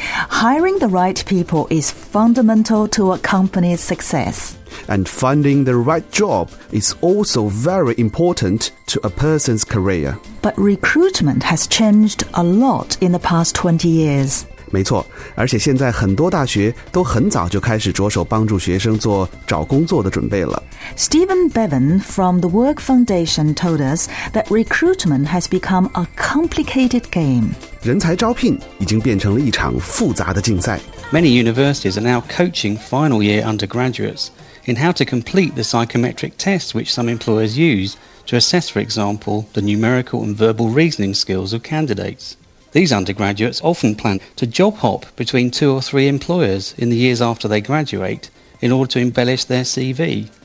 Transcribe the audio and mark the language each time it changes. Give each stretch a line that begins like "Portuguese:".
English: Hiring the right people is fundamental to a company's success. And finding the right job is also very important to a person's career. But recruitment has changed a lot in the past 20 years.
Chinese: 没错，而且现在很多大学都很早就开始着手帮助学生做找工作的准备了。
English: Stephen Bevan from the Work Foundation told us that recruitment has become a complicated game.
Chinese: 人才招聘已经变成了一场复杂的竞赛。
English: Many universities are now coaching final year undergraduates in how to complete the psychometric tests which some employers use to assess, for example, the numerical and verbal reasoning skills of candidates. These undergraduates often plan to job hop between two or three employers in the years after they graduate in order to embellish their CV.